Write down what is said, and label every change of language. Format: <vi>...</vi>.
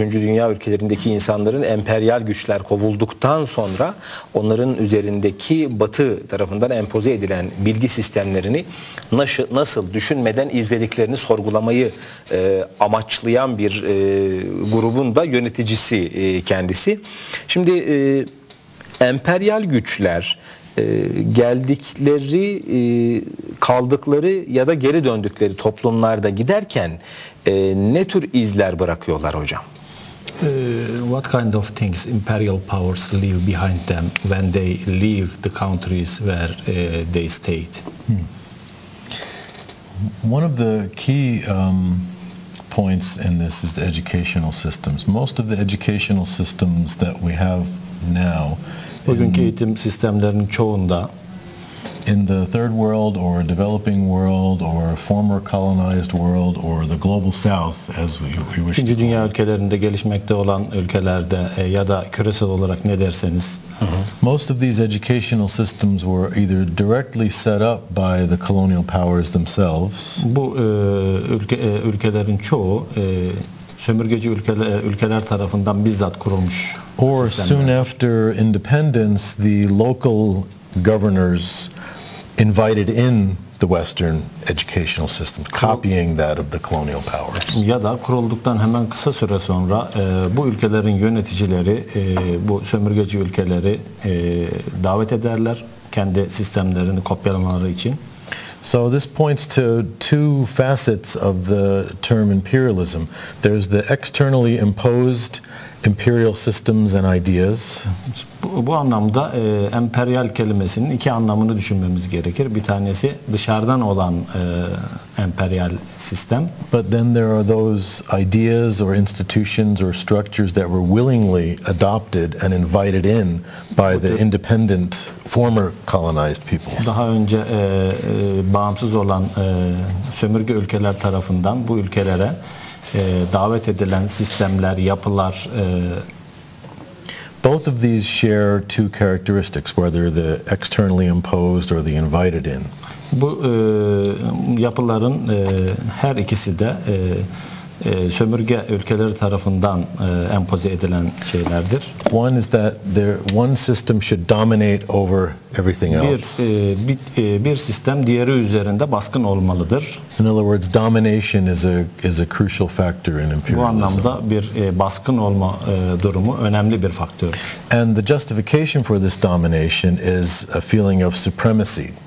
<tr>Dünya ülkelerindeki insanların emperyal güçler kovulduktan sonra onların üzerindeki Batı tarafından empoze edilen bilgi sistemlerini nasıl düşünmeden izlediklerini sorgulamayı amaçlayan bir grubun da yöneticisi kendisi. Şimdi emperyal güçler geldikleri, kaldıkları ya da geri döndükleri toplumlarda giderken ne tür izler bırakıyorlar hocam?</tr> <en>What kind of things imperial powers leave behind them when they leave the countries where they stayed? One of the key points in this is the educational systems. Most of the educational systems that we have now.</en> <tr>Bugünkü eğitim sistemlerinin çoğunda</tr> <en>in the third world or developing world or former colonized world or the global south as we wish.</en> <tr>İkinci dünya ülkelerinde gelişmekte olan ülkelerde ya da küresel olarak ne derseniz.</tr> <en>Most of these educational systems were either directly set up by the colonial powers themselves.</en> <tr>Bu ülkelerin çoğu sömürgeci ülkeler tarafından bizzat kurulmuş.</tr> <en>Or soon after independence, the local governors invited in the Western educational system, copying that of the colonial powers.</en> <tr>Ya da kurulduktan hemen kısa süre sonra bu ülkelerin yöneticileri bu sömürgeci ülkeleri davet ederler kendi sistemlerini kopyalamaları için.</tr> <en>So this points to two facets of the term imperialism. There's the externally imposed imperial systems and ideas.</en> <tr>Bu anlamda emperyal kelimesinin iki anlamını düşünmemiz gerekir. Bir tanesi dışarıdan olan emperyal sistem.</tr> <en>But then there are those ideas or institutions or structures that were willingly adopted and invited in by the independent former colonized peoples.</en> <tr>Daha önce bağımsız olan sömürge ülkeler tarafından bu ülkelere davet edilen sistemler, yapılar.</tr> <en>Both of these share two characteristics, whether the externally imposed or the invited in.</en> <tr>Bu yapıların her ikisi de sömürge ülkeleri tarafından empoze edilen şeylerdir.</tr> <en>One is that one system should dominate over everything else.</en> <tr>Bir sistem diğeri üzerinde baskın olmalıdır.</tr> <en>In other words, domination is a crucial factor in imperialism.</en> <tr>Bu anlamda bir baskın olma durumu önemli bir faktördür.</tr> <en>And the justification for this domination is a feeling of supremacy.</en>